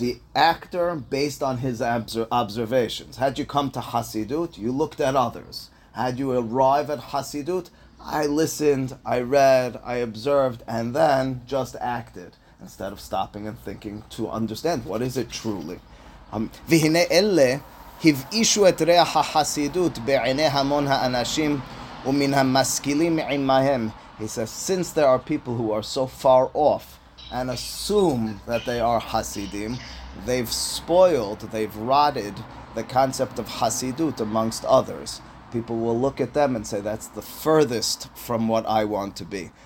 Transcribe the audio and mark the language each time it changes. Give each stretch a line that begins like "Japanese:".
English: The actor, based on his observations. Had you come to Hasidut, you looked at others. Had you arrived at Hasidut, I listened, I read, I observed, and then just acted, instead of stopping and thinking to understand what is it truly.
Hebrew: V'hine elle הבאישו את ריח החסידות בעיני המון האנשים ומן המשכילים עמהם.
English: He says, since there are people who are so far off and assume that they are Hasidim, they've spoiled, they've rotted the concept of Hasidut amongst others. People will look at them and say, that's the furthest from what I want to be.